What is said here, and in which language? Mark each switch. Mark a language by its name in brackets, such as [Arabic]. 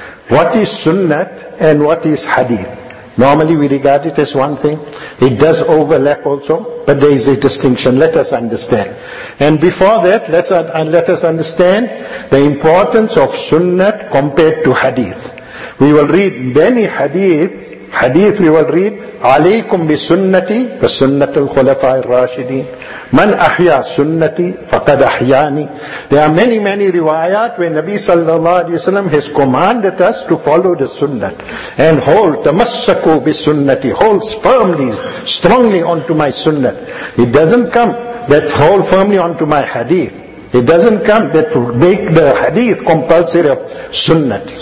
[English] What is sunnah and what is hadith? Normally we regard it as one thing. It does overlap also, but there is a distinction. Let us understand. And before that, let us understand the importance of sunnah compared to hadith. We will read many hadith we will read. [Arabic] عليكم بسنتي وسنة الخلفاء الراشدين من أحيا سنتي فقد أحياني. [English] There are many riwayat where Nabi sallallahu alaihi wasallam has commanded us to follow the sunnah and hold [Arabic] تمسكوا بسنتي, [English] holds firmly, strongly onto my sunnah. It doesn't come that hold firmly onto my hadith. It doesn't come that make the hadith compulsory of sunnah.